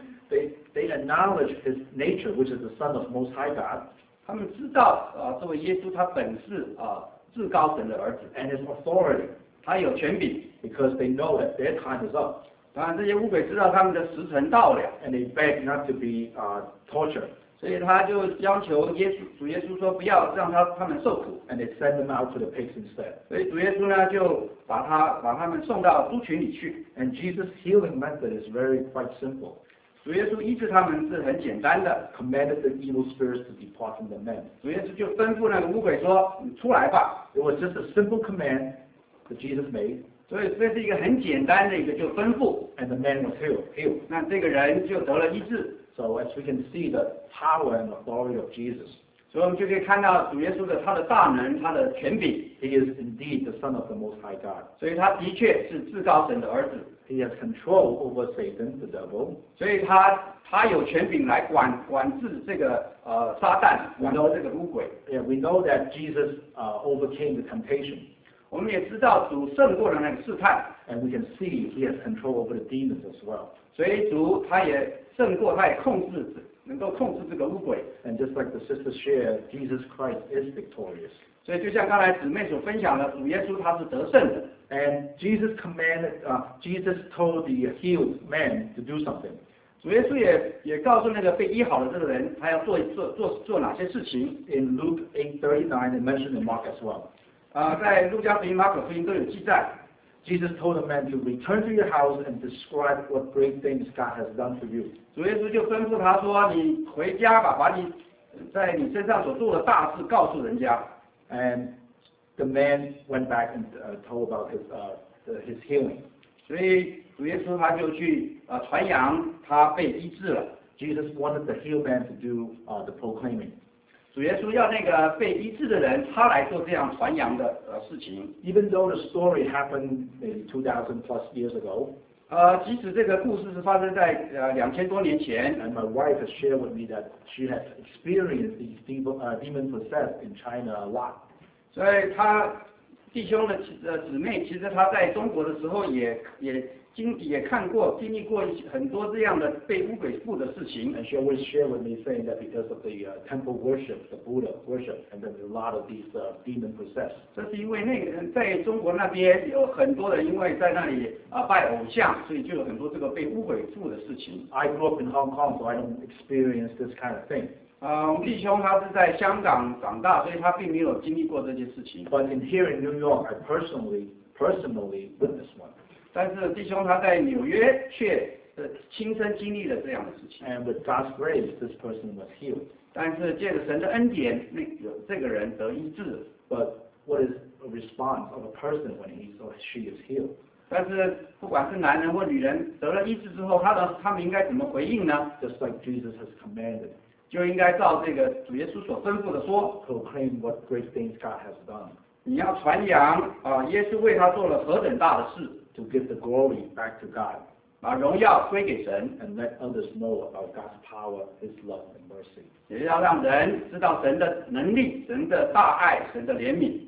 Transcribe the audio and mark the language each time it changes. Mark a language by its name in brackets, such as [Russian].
[English] They acknowledge his nature, which is the Son of Most High God. [Chinese] 他们知道作为耶稣他本是至高神的儿子。 [English] And his authority. [Chinese] 他有权柄。 [English] Because they know that their time is up. [Chinese] 当然这些乌鬼知道他们的时辰到了。 [English] And they beg not to be tortured. [Chinese] 所以他就要求主耶稣说不要让他们受苦。 [English] And they send them out to the pigs instead. [Chinese] 所以主耶稣呢就把他们送到猪群里去。 [English] And Jesus' healing method is very quite simple. [Chinese] 主耶稣医治他们是很简单的 [English] commanded the evil spirits to depart from the men. [Chinese] 主耶稣就吩咐那个乌鬼说你出来吧。 [English] It was just a simple command that Jesus made. [Chinese] 所以这是一个很简单的一个就吩咐。 [English] And the man was healed. [Chinese] 那这个人就得了医治。 [English] So as we can see the power and authority of Jesus. [Chinese] 所以我们就可以看到主耶稣的他的大能他的权柄。 [English] He is indeed the Son of the Most High God. [Chinese] 所以他的确是至高神的儿子。 [English] He has control over Satan, the devil. [Chinese] 所以他有权柄来管制这个撒旦，管制这个乌鬼。 [English] Yeah, we know that Jesus overcame the temptation. [Chinese] 我们也知道主胜过了那个试探。 [English] And we can see he has control over the demons as well. [Chinese] 所以主他也胜过，他也能够控制这个乌鬼。 [English] And just like the sisters share, Jesus Christ is victorious. [Chinese] 所以就像刚才姊妹所分享的，主耶稣他是得胜的。 [English] And Jesus commanded, Jesus told the healed man to do something. [Chinese] 主耶稣也告诉那个被医好的这个人，他要做哪些事情。 [English] In Luke 8:39, it mentioned in Mark as well. [Chinese] 在路加福音、马可福音都有记载。 [English] Jesus told the man to return to your house and describe what great things God has done for you. [Chinese] 主耶稣就吩咐他说：“你回家吧，把你在你身上所做的大事告诉人家。” [English] And the man went back and told about his healing. [Chinese] 所以主耶稣他就去传扬他被医治了。 [English] Jesus wanted the healed man to do the proclaiming. [Chinese] 主耶稣要那个被医治的人他来做这样传扬的事情。 [English] Even though the story happened 2,000 plus years ago, [Chinese] 即使这个故事是发生在2000多年前。 [English] And my wife has shared with me that she has experienced these demon possessed in China a lot. [Chinese] 所以她弟兄的姊妹，其实她在中国的时候也看过、经历过很多这样的被巫鬼附的事情。 [English] And she always shared with me saying that because of the temple worship, the Buddha worship, and then a lot of these demon possessed. [Chinese] 这是因为在中国那边有很多人因为在那里拜偶像，所以就有很多这个被巫鬼附的事情。 [English] I grew up in Hong Kong, so I don't experience this kind of thing. [Chinese] 弟兄他是在香港长大，所以他并没有经历过这些事情。 [English] But in here in New York, I personally witnessed one. [Chinese] 但是弟兄他在纽约却亲身经历了这样的事情。 [English] And with God's grace, this person was healed. [Chinese] 但是借着神的恩典，这个人得医治。 [English] But what is a response of a person when he or she is healed? [Chinese] 但是不管是男人或女人得了医治之后，他们应该怎么回应呢 [English] ？Just like Jesus has commanded. [Chinese] 就应该照这个主耶稣所吩咐的说。 [English] Proclaim what great things God has done. [Chinese] 你要传扬耶稣为他做了何等大的事。 [English] To give the glory back to God, [Chinese] 把荣耀归给神 [English] ，and let others know about God's power, His love and mercy. [Chinese] 也要让人知道神的能力、神的大爱、神的怜悯。